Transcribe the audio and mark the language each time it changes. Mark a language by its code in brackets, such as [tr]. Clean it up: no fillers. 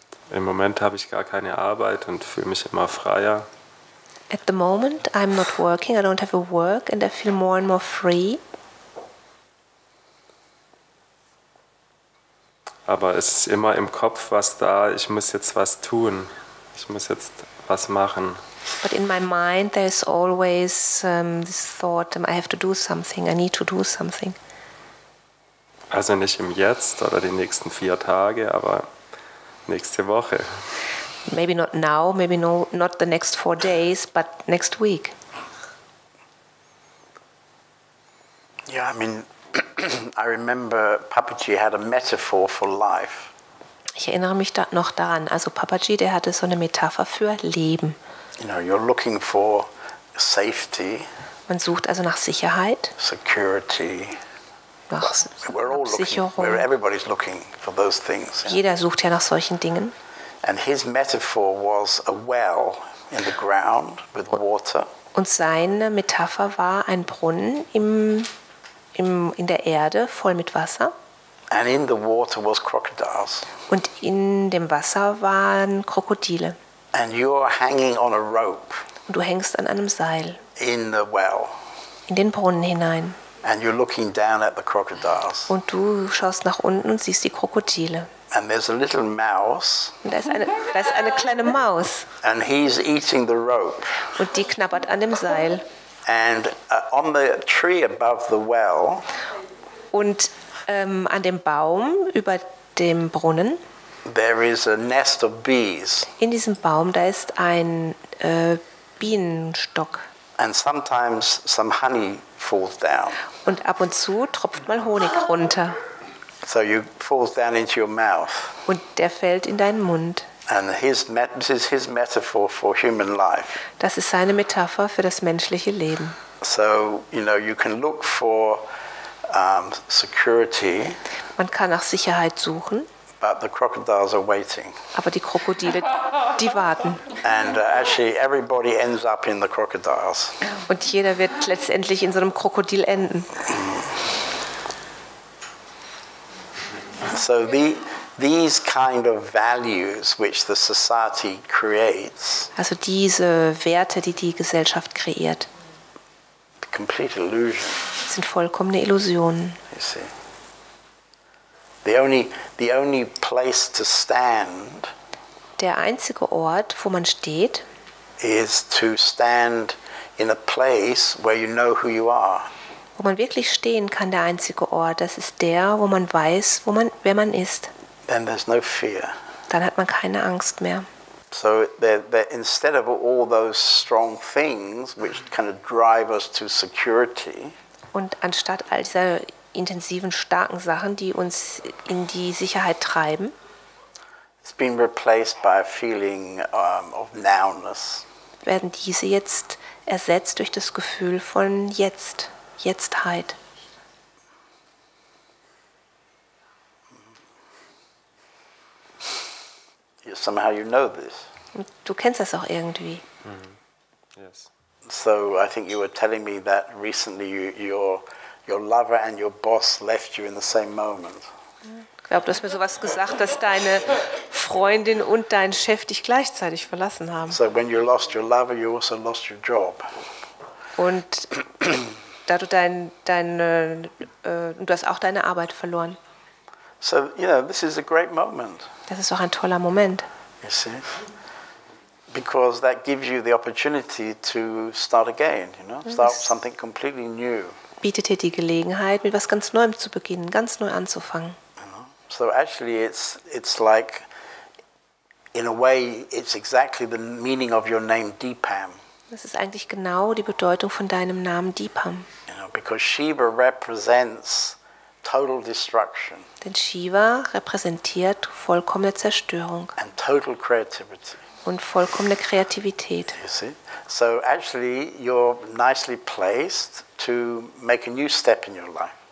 [de] Im Moment habe ich gar keine Arbeit und fühle mich immer freier. [en] At the moment I'm not working, I don't have a work and I feel more and more free. [de] Aber es ist immer im Kopf was da, ich muss jetzt was tun, ich muss jetzt was machen. [en] But in my mind there is always this thought, I have to do something, I need to do something. [de] Also nicht im Jetzt oder die nächsten 4 Tage, aber nächste Woche. [en] Maybe not now, maybe no, not the next 4 days, but next week. Yeah, I mean, I remember Papaji had a metaphor for life. [de] Ich erinnere mich da noch daran. Also Papaji, der hatte so eine Metapher für Leben. [en] You know, you're looking for safety. [de] Man sucht also nach Sicherheit. [en] Security. [de] Nach Absicherung. [en] Everybody's looking for those things. [de] Yeah. Jeder sucht ja nach solchen Dingen. [en] And his metaphor was a well in the ground with water. [de] Und seine Metapher war ein Brunnen in der Erde voll mit Wasser. [en] And in the water was crocodiles. [de] Und in dem Wasser waren Krokodile. [en] And you're hanging on a rope. [de] Und du hängst an einem Seil. [en] In the well. [de] In den Brunnen hinein. [en] And you're looking down at the crocodiles. [de] Und du schaust nach unten und siehst die Krokodile. [en] And there's a little mouse. [de] Da ist eine kleine Maus. [en] And he's eating the rope. [de] Und die knabbert an dem Seil. [en] And on the tree above the well. [de] Und an dem Baum über dem Brunnen. [en] There is a nest of bees. [de] In diesem Baum da ist ein Bienenstock. [en] And sometimes some honey falls down. [de] Und ab und zu tropft mal Honig runter. [en] So you falls down into your mouth. [de] Und der fällt in deinen Mund. [en] And this is his metaphor for human life. [de] Das ist seine Metapher für das menschliche Leben. [en] So, you know, you can look for security. [de] Man kann nach Sicherheit suchen. [en] But the crocodiles are waiting. [de] Aber die Krokodile, die warten. [en] And actually everybody ends up in the crocodiles. [de] Und jeder wird letztendlich in so einem Krokodil enden. [en] So these kind of values which the society creates. [de] Also diese Werte, die die Gesellschaft kreiert. [en] Complete illusion. [de] Sind vollkommene Illusionen. [en] You see. The only place to stand. [de] Der einzige Ort, wo man steht, [en] is to stand in a place where you know who you are. [de] Wo man wirklich stehen kann, der einzige Ort, das ist der, wo man weiß, wer man ist. [en] Then there's no fear. [de] Dann hat man keine Angst mehr. [en] So there instead of all those strong things which kind of drive us to security. [de] Und anstatt all dieser intensiven starken Sachen, die uns in die Sicherheit treiben. [en] It's been replaced by a feeling of nowness. [de] Werden diese jetzt ersetzt durch das Gefühl von jetzt, Jetztheit. [en] Somehow you know this. [de] Du kennst das auch irgendwie. [en] Mm-hmm. Yes. So I think you were telling me that recently your lover and your boss left you in the same moment. [de] Ich glaube, du hast mir sowas gesagt, dass deine Freundin und dein Chef dich gleichzeitig verlassen haben. [en] So when you lost your lover, you also lost your job. [de] Und da du du hast auch deine Arbeit verloren. [en] So, you know, this is a great moment. [de] Das ist auch ein toller Moment. [en] You see? Because that gives you the opportunity to start again, you know, start something completely new. [de] Bietet dir die Gelegenheit, mit was ganz Neuem zu beginnen, ganz neu anzufangen. [en] So actually it's like in a way it's exactly the meaning of your name Deepam. [de] Das ist eigentlich genau die Bedeutung von deinem Namen Deepam. [en] You know, because Shiva represents total destruction. [de] Denn Shiva repräsentiert vollkommene Zerstörung [en] and total creativity. [de] Und vollkommene Kreativität. [en] You see? So actually you're nicely placed to make a new step in your life.